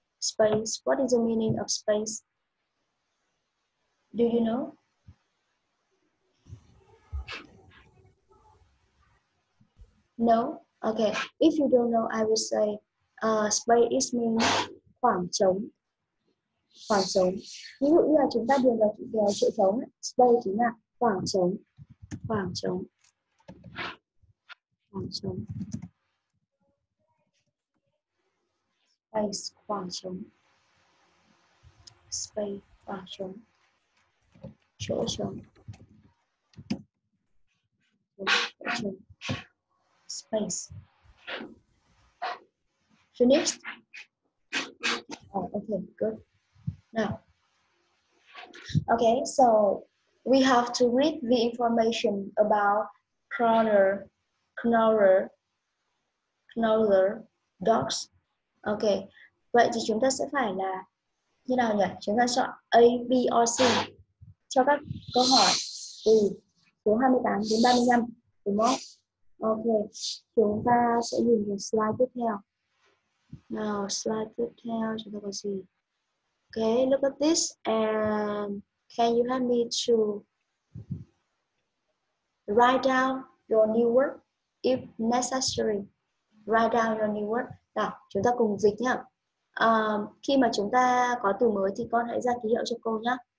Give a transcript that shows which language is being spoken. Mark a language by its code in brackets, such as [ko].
[en] Space, what is the meaning of space? Do you know? No? Okay, if you don't know, I will say space is mean [vi] khoảng trống. Khoảng trống. Ví dụ như là chúng ta điền vào chỗ trống, space chính là khoảng trống. Khoảng trống. Khoảng trống. Space, khoảng trống. Space, khoảng trống. Chỗ trống. Chỗ trống. Space. [en] Finished? Oh, okay, good. Now, okay, so we have to read the information about crawler, dogs. [vi] Okay, vậy thì chúng ta sẽ phải là như nào nhỉ? Chúng ta chọn A, B, or C cho các câu hỏi từ số 28 đến 35, đúng không? Okay, chúng ta sẽ nhìn cái slide tiếp theo. Now, slide tiếp theo chúng ta có gì? [en] Okay, look at this and can you help me to write down your new word if necessary? Write down your new word. [vi] Nào, chúng ta cùng dịch nhá. Khi mà chúng ta có từ mới thì con hãy ra ký hiệu cho cô nhá.